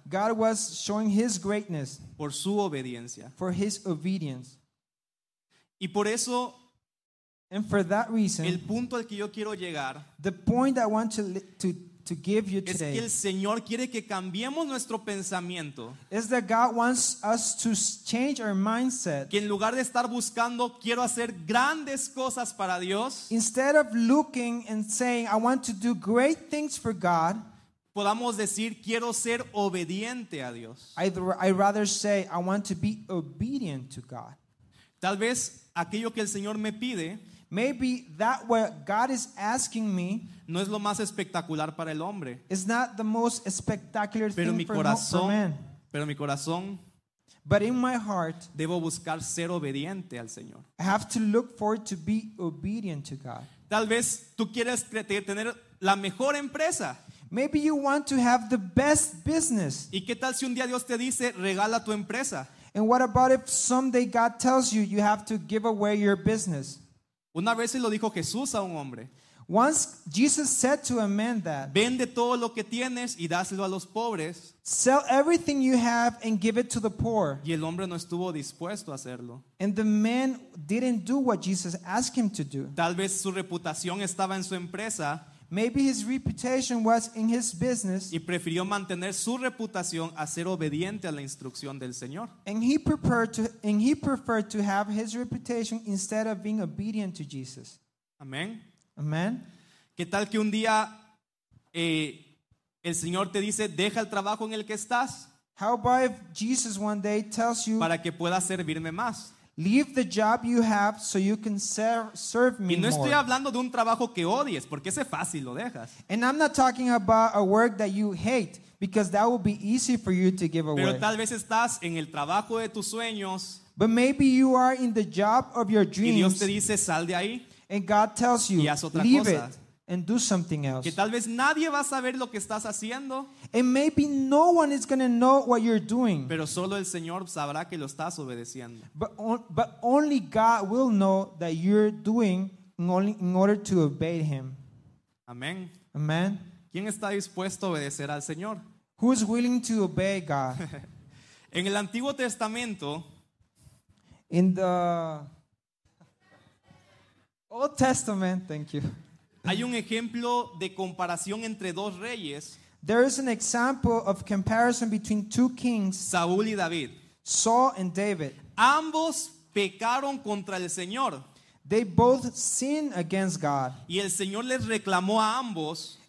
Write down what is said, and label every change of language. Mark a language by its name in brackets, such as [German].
[English] God was showing his greatness [Spanish] por su obediencia. [English] For his obedience. [Spanish] Y por eso, [English] And for that reason, [Spanish] el punto al que yo quiero llegar, [English] the point I want to give you today, [Spanish] es que el Señor quiere que cambiemos nuestro pensamiento, [English] is that God wants us to change our mindset, [Spanish] que en lugar de estar buscando quiero hacer grandes cosas para Dios, [English] instead of looking and saying I want to do great things for God, [Spanish] podamos decir quiero ser obediente a Dios. [English] I'd rather say I want to be obedient to God. [Spanish] Tal vez aquello que el Señor me pide, [English] maybe that what God is asking me, [Spanish] no es lo más espectacular para el hombre. [English] It's not the most spectacular [Spanish] pero [English] thing [Spanish] mi corazón, [English] for man. [Spanish] Pero mi corazón, [English] but in my heart, [Spanish] debo buscar ser obediente al Señor. [English] I have to look forward to be obedient to God. [Spanish] Tal vez tú quieres tener la mejor empresa. [English] Maybe you want to have the best business. [Spanish] ¿Y qué tal si un día Dios te dice, regala tu empresa? [English] And what about if someday God tells you you have to give away your business? [Spanish] Una vez se lo dijo Jesús a un hombre. [English] Once Jesus said to a man that, [Spanish] vende todo lo que tienes y dáselo a los pobres. [English] Sell everything you have and give it to the poor. [Spanish] Y el hombre no estuvo dispuesto a hacerlo. [English] And the man didn't do what Jesus asked him to do. [Spanish] Tal vez su reputación estaba en su empresa. [English] Maybe his reputation was in his business. [Spanish] Y prefirió mantener su reputación a ser obediente a la instrucción del Señor. [English] And he preferred to have his reputation instead of being obedient to Jesus. [Spanish] Amén. [English] Amen. [Spanish] ¿Qué tal que un día el Señor te dice, deja el trabajo en el que estás? [English] How about if Jesus one day tells you, [Spanish] para que pueda servirme más? [English] Leave the job you have so you can serve me more. [Spanish] Y no estoy hablando de un trabajo que odies, porque ese fácil lo dejas. [English] And I'm not talking about a work that you hate, because that will be easy for you to give away. [Spanish] Pero tal vez estás en el trabajo de tus sueños. [English] But maybe you are in the job of your dreams. [Spanish] Y Dios te dice, sal de ahí. [English] And God tells you, leave it and do something else. [Spanish] Que tal vez nadie va a saber lo que estás haciendo. [English] And maybe no one is going to know what you're doing. [Spanish] Pero solo el Señor sabrá que lo estás obedeciendo. [English] But only God will know that you're doing in order to obey Him. [Spanish] Amen. [English] Amen. [Spanish] ¿Quién está dispuesto a obedecer al Señor? [English] Who is willing to obey God? [Spanish] En el Antiguo Testamento, [English] in the Old Testament, thank you. [Spanish] Hay un ejemplo de comparación entre dos reyes. [English] There is an example of comparison between two kings, [Spanish] Saúl y David. [English] Saul and David. [Spanish] Ambos pecaron contra el Señor. [English] They both sinned against God. [Spanish] Y el Señor les reclamó a ambos.